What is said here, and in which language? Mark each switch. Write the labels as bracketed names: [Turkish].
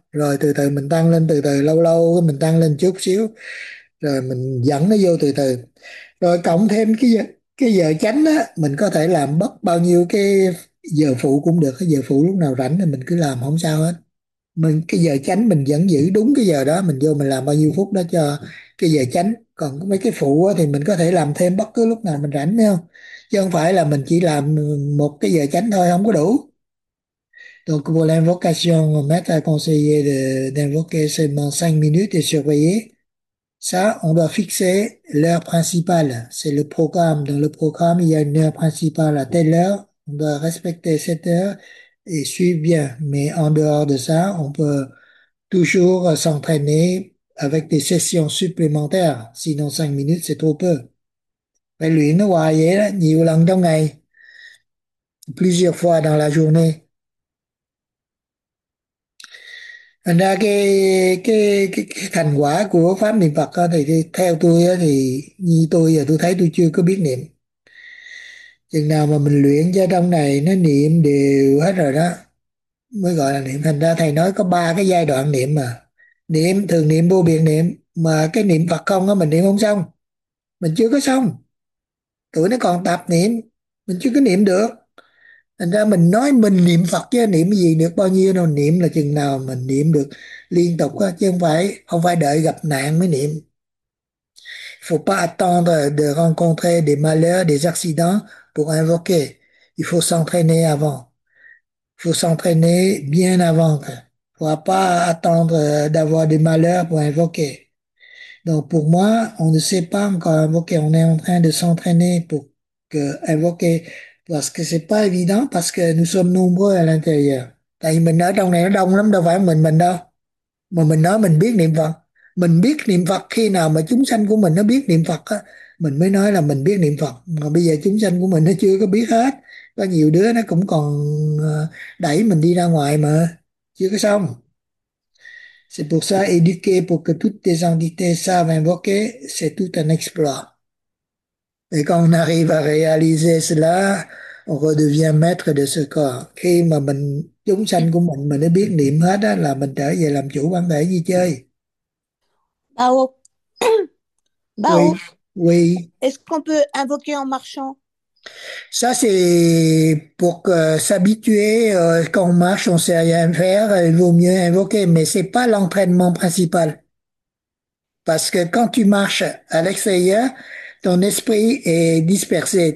[Vietnamese] Rồi từ từ mình tăng lên, từ từ lâu lâu mình tăng lên chút xíu rồi mình dẫn nó vô từ từ, rồi cộng thêm cái giờ chánh á, mình có thể làm bất bao nhiêu cái giờ phụ cũng được, cái giờ phụ lúc nào rảnh thì mình cứ làm không sao hết, mình cái giờ chánh mình vẫn giữ đúng cái giờ đó, mình vô mình làm bao nhiêu phút đó cho cái giờ chánh. Còn mấy cái phụ á, thì mình có thể làm thêm bất cứ lúc nào mình rảnh, thấy không? Chứ không phải là mình chỉ làm một cái giờ chánh thôi, không có đủ. [French] Donc pour l'invocation, maître a conseillé d'invoquer seulement 5 minutes et surveiller. Ça, on doit fixer l'heure principale. C'est le programme. Dans le programme, il y a une heure principale à telle heure. On doit respecter cette heure et suivre bien. Mais en dehors de ça, on peut toujours s'entraîner avec des sessions supplémentaires. Sinon, 5 minutes, c'est trop peu. [Vietnamese] Phải luyện nó hoài vậy đó, nhiều lần trong ngày, [French] plusieurs fois dans la journée. [Vietnamese] Thành ra cái thành quả của pháp niệm Phật thì theo tôi thì như tôi giờ tôi thấy tôi chưa có biết niệm. Chừng nào mà mình luyện cho trong này nó niệm đều hết rồi đó mới gọi là niệm. Thành ra thầy nói có ba cái giai đoạn niệm, mà niệm thường niệm, vô biện niệm, mà cái niệm Phật không á mình niệm không xong, mình chưa có xong, tụi nó còn tạp niệm, mình chưa có niệm được. Thành ra mình nói mình niệm Phật chứ niệm gì được bao nhiêu đâu, niệm là chừng nào mình niệm được liên tục á, chứ không phải đợi gặp nạn mới niệm. [French] Faut pas attendre de rencontrer des malheurs, des accidents pour invoquer. Il faut s'entraîner avant. Faut s'entraîner bien avant. Faut pas attendre d'avoir des malheurs pour invoquer. Donc pour moi, on ne sait pas encore invoquer. On est en train de s'entraîner pour invoquer. Parce que c'est pas évident parce que nous sommes nombreux à l'intérieur. [Vietnamese] Tại vì mình ở trong này nó đông lắm, đâu phải mình đâu. Mà mình nói mình biết niệm Phật. Mình biết niệm Phật khi nào mà chúng sanh của mình nó biết niệm Phật á, mình mới nói là mình biết niệm Phật. Mà bây giờ chúng sanh của mình nó chưa có biết hết. Có nhiều đứa nó cũng còn đẩy mình đi ra ngoài mà. Chưa có xong. [French] C'est pour ça, éduquer pour que toutes tes entités savent invoquer, c'est tout un exploit. Et quand on arrive à réaliser cela, on redevient maître de ce corps. [Vietnamese] Khi mà mình chúng sanh của mình nó biết niệm hết á, là mình trở về làm chủ bản thể gì chơi. Bao [French] Oui, [Vietnamese] Bao, [French] oui. est-ce qu'on peut invoquer en marchant? Ça, c'est pour s'habituer. Quand on marche, on ne sait rien faire. Il vaut mieux invoquer, mais ce n'est pas l'entraînement principal. Parce que quand tu marches à l'extérieur, ton esprit est dispersé.